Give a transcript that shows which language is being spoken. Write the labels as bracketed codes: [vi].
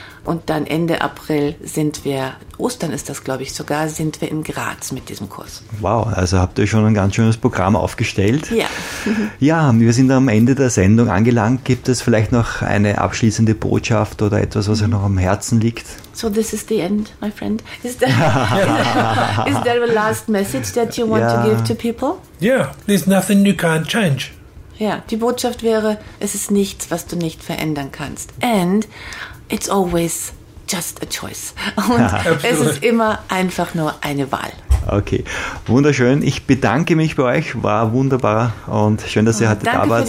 [de] Und dann Ende April sind wir, Ostern ist das glaube ich sogar, sind wir in Graz mit diesem Kurs. Wow, also habt ihr schon ein ganz schönes Programm aufgestellt. Ja. Ja, wir sind am Ende der Sendung angelangt. Gibt es vielleicht noch eine abschließende Botschaft oder etwas, was euch noch am Herzen liegt? [en] So this is the end, my friend. Is there a last message that you want to give to people? Yeah, there's nothing you can't change. [de] Ja, die Botschaft wäre, es ist nichts, was du nicht verändern kannst. [en] And it's always just a choice. [de] Und es ist immer einfach nur eine Wahl. Okay, wunderschön. Ich bedanke mich bei euch. War wunderbar und schön, dass ihr heute da wart